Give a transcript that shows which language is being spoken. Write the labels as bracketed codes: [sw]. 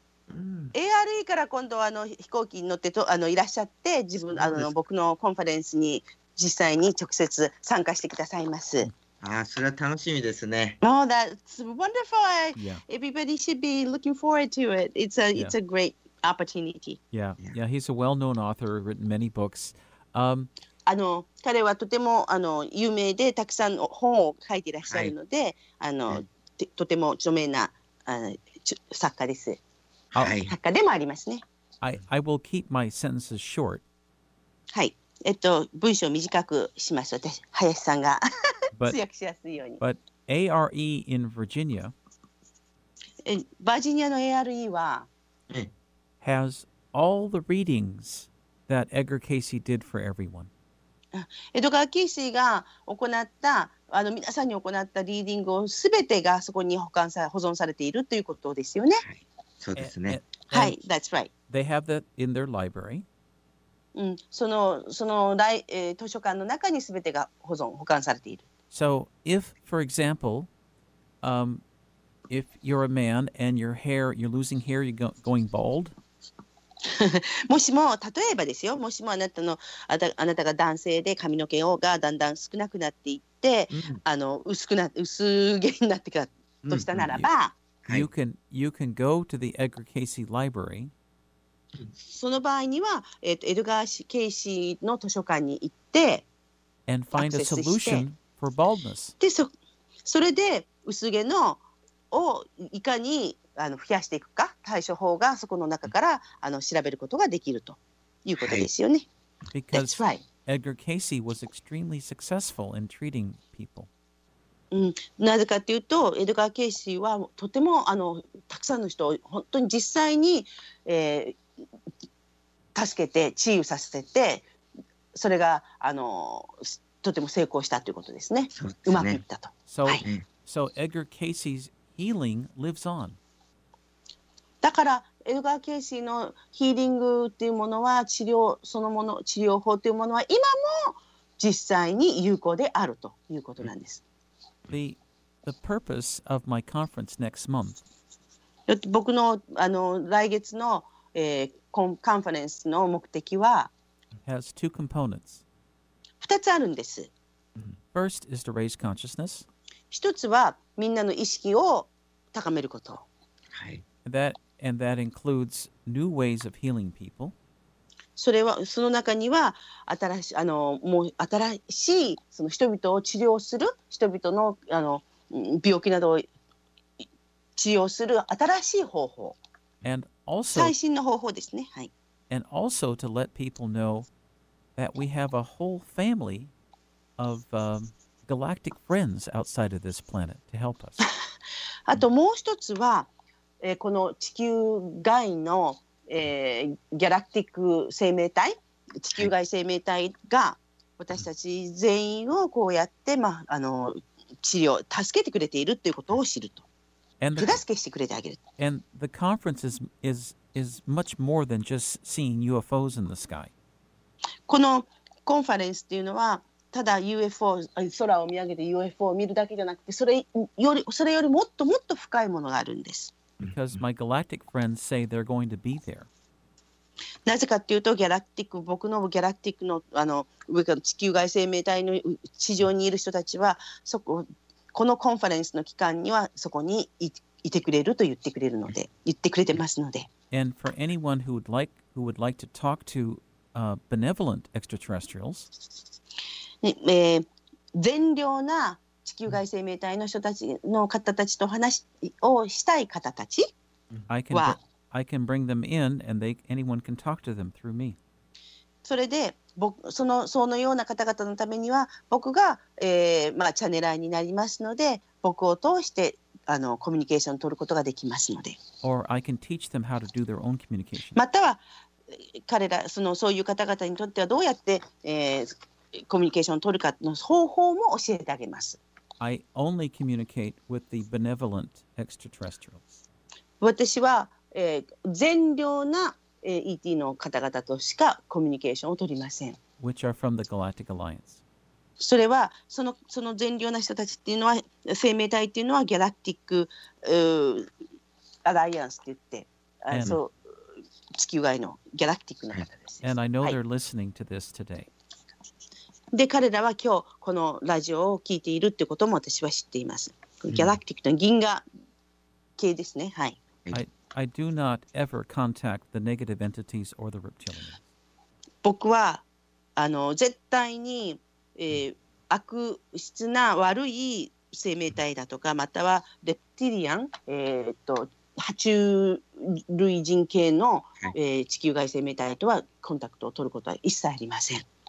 [ja] ARE から今度は飛行機に乗ってといらっしゃって、自分僕のコンファレンスに実際に直接参加してくださいます。ああ、それは楽しみですね。 [en] Oh, that's wonderful. Everybody should be looking forward to it. It's a great opportunity. Yeah, he's a well-known author, written many books. [ja] あの彼はとてもあの有名でたくさん本を書いていらっしゃるので、はい、あの、はい、とても著名なあ作家です。はい、作家でもありますね。 [en] I will keep my sentences short. [ja] はい、文章を短くします。私林さんが通訳しやすいように。 [en] But ARE in Virginia. [ja] バージニアの ARE は [en] has all the readings that Edgar Casey did for everyone. [ja] エドガー・キーシーが行ったあの皆さんに行ったリーディングをすべてがそこに保存されているということですよね。はい、そうですね。 [en] はい、That's right. They have that in their library. [ja] うん、その、図書館の中にすべてが保管されている。 [en] So if, for example, if you're a man and your hair, you're losing hair, you're going bald. [ja] もしも例えばですよ、もしもあなたが男性で髪の毛がだんだん少なくなっていって、うん、あの 薄毛になってきたとしたならば、 [en] You can go to the Edgar Casey Library. [ja] その場合には、エドガー・ケイシーの図書館に行って、 [en] And find a solution for baldness. [ja] で、それで薄毛のをいかに増やしていくか対処法がそこの中から調べることができるということですよね。 [en] はい、That's right. Edgar Casey was extremely successful in treating people. [ja] うん、なぜかというとエドガー・ケイシーはとてもたくさんの人を本当に実際に、助けて治癒させてそれがとても成功したということですね。そうですね。うまくいったと。 [en] So, はい、So Edgar Casey's healing lives on. [ja] だからエドガー・ケイシーのヒーリングというものは治療そのもの治療法というものは今も実際に有効であるということなんです。 [en] The purpose of my conference next month. [ja] 僕の来月の、カンファレンスの目的は [en] has two components. [ja] 二つあるんです。 [en] First is to raise consciousness. [ja] 一つはみんなの意識を高めること。はい。 [en] And that includes new ways of healing people. [ja] それはその中には新しいその人々を治療する人々の病気などを治療する新しい方法。 [en] And also [ja] 最新の方法ですね。はい。 [en] And also to let people know that we have a whole family of galactic friends outside of this planet to help us. [ja] あともう一つは。この地球外の、ギャラクティック生命体、地球外生命体が私たち全員をこうやって、まあ、治療、助けてくれているということを知ると。手助けしてくれてあげる。 [en] And the conference is much more than just seeing UFOs in the sky. [ja] このコンファレンスというのは、ただ UFO、空を見上げて UFO を見るだけじゃなくて、それよりもっともっと深いものがあるんです。 [en] Because my galactic friends say they're going to be there. [ja] なぜかっていうと、ギャラクティック、僕のギャラクティックの、上から地球外生命体の地上にいる人たちは、このコンファレンスの期間にはそこにいてくれると言ってくれるので、言ってくれてますので。 [en] And for anyone who would like to talk to benevolent extraterrestrials, [ja] 善良な地球外生命体の人たちの方たちと話をしたい方たちは、 [en] I can bring them in and anyone can talk to them through me. [ja] それで、そのような方々のためには、僕が、チャネラーになりますので、僕を通してコミュニケーションを取ることができますので。 [en] Or I can teach them how to do their own communication. [ja] または、彼ら、そういう方々にとってはどうやって、コミュニケーションを取るかの方法も教えてあげます。 [en] I only communicate with the benevolent extraterrestrials. [ja] 私は、善良な、ET の方々としかコミュニケーションを取りません。 [en] Which are from the Galactic Alliance. [ja] それはその善良な人たちっていうのは生命体っていうのはギャラクティックアライアンスって言って、地球外のギャラクティックの方です。 [en] And I know they're listening to this today. [ja] で彼らは今日このラジオを聞いているってことも私は知っています。ギャラクティックの銀河系ですね。はい。 [en] I do not ever contact the negative entities or the reptilians. [ja] 僕はあの絶対に、悪質な悪い生命体だとかまたはレプティリアン、爬虫類人系の、地球外生命体とはコンタクトを取ることは一切ありません。